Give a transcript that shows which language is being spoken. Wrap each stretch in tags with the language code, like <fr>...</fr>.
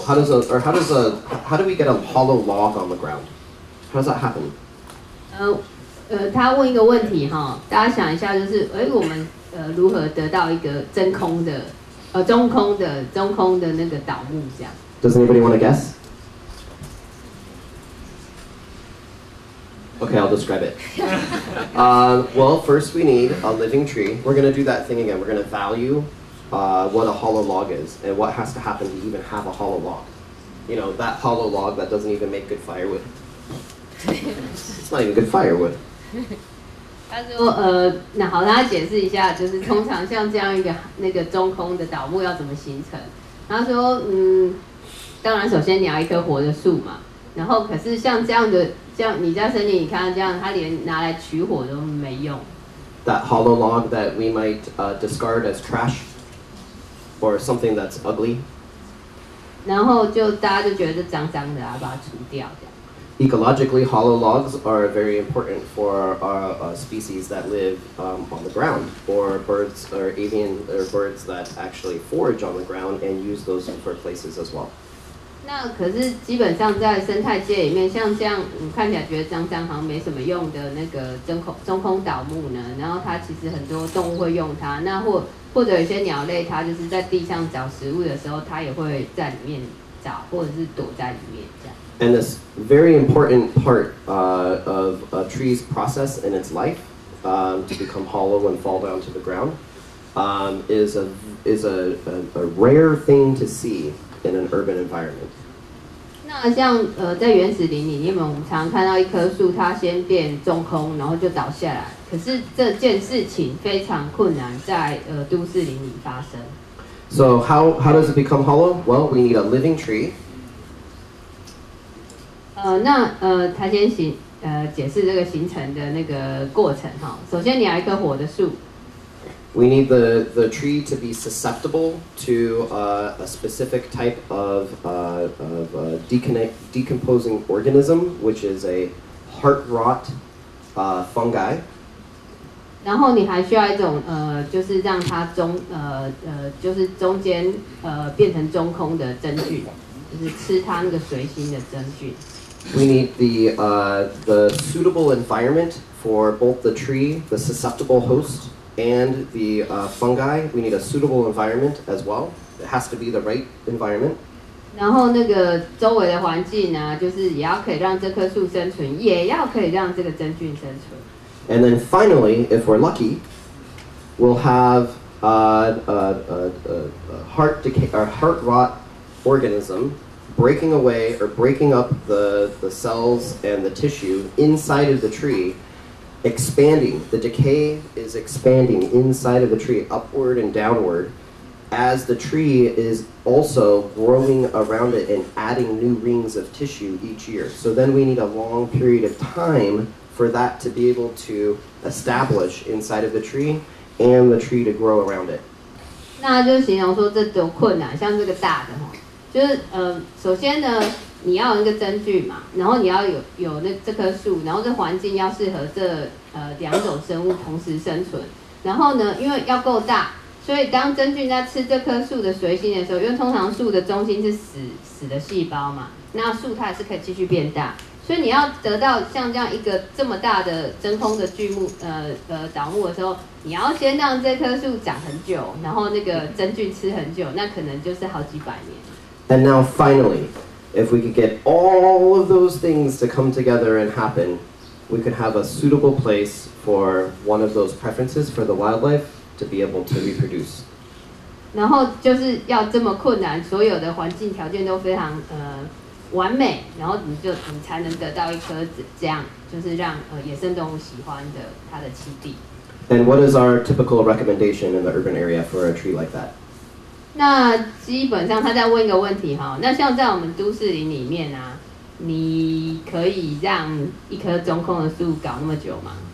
<en>How do we get a hollow log on the ground? How does that happen?</en> <zh>他问一个问题哈，大家想一下，就是我们如何得到一个真空的？中空的那个倒木这样。</zh> <en>Does anybody want to guess? Okay, I'll describe it. Well, first we need a living tree. We're going to do that thing again. We're going to value what a hollow log is and what has to happen to even have a hollow log. You know, that hollow log that doesn't even make good firewood. It's not even good firewood.</en> <zh>他说那好，他解释一下，就是通常像这样一个那个中空的倒木要怎么形成。他说当然首先你要一棵活的树嘛，然后可是像这样的，像你在森林你看到这样，他连拿来取火都没用。</zh> <en>That hollow log that we might discard as trash or something that's ugly.</en> <zh>然后就大家就觉得脏脏的啊，把它除掉。</zh> <en>Ecologically, hollow logs are very important for our species that live on the ground, or birds, or avian, or birds that actually forage on the ground and use those for places as well.</en> <zh>那可是基本上在生态界里面，像这样我看起来觉得脏脏好像没什么用的那个中空倒木呢，然后它其实很多动物会用它，那或者有些鸟类它就是在地上找食物的时候，它也会在里面找，或者是躲在里面这样。</zh> <en>And this very important part of a tree's process in its life, to become hollow and fall down to the ground, is a rare thing to see in an urban environment.</en> <zh>那像在原始林里，因为我们常常看到一棵树，它先变中空，然后就倒下来。可是这件事情非常困难在都市林里发生。</zh> <en>So how does it become hollow? Well, we need a living tree.</en> <zh>他先解释这个形成的那个过程哈。首先，你要一棵活的树。</zh> <en>We need the tree to be susceptible to a specific type of a decomposing organism, which is a heart rot fungi.</en> <zh>然后你还需要一种就是让它就是中间变成中空的真菌，就是吃它那个随心的真菌。</zh> <en>We need the suitable environment for both the tree, the susceptible host, and the fungi. We need a suitable environment as well. It has to be the right environment.</en> <zh>然后那个周围的环境啊，就是也要可以让这棵树生存，也要可以让这个真菌生存。</zh> <en>And then finally, if we're lucky, we'll have a heart rot organism. Breaking away or breaking up the cells and the tissue inside of the tree, expanding. The decay is expanding inside of the tree, upward and downward, as the tree is also growing around it and adding new rings of tissue each year. So then we need a long period of time for that to be able to establish inside of the tree and the tree to grow around it.</en> <zh>那就形容说这多困难，像这个大的就是首先呢，你要有一个真菌嘛，然后你要有那这棵树，然后这环境要适合这两种生物同时生存。然后呢，因为要够大，所以当真菌在吃这棵树的随心的时候，因为通常树的中心是死的细胞嘛，那树它也是可以继续变大。所以你要得到像这样一个这么大的真空的巨木倒木的时候，你要先让这棵树长很久，然后那个真菌吃很久，那可能就是好几百年。</zh> <en>And now finally, if we could get all of those things to come together and happen, we could have a suitable place for one of those preferences for the wildlife to be able to reproduce.</en> <zh>然后就是要这么困难，所有的环境条件都非常完美，然后你才能得到一颗这样就是让野生动物喜欢的它的栖地。</zh> <en>And what is our typical recommendation in the urban area for a tree like that?</en> <zh>那基本上他在问一个问题哈，那像在我们都市林里面啊，你可以让一棵中空的树搞那么久吗？</zh>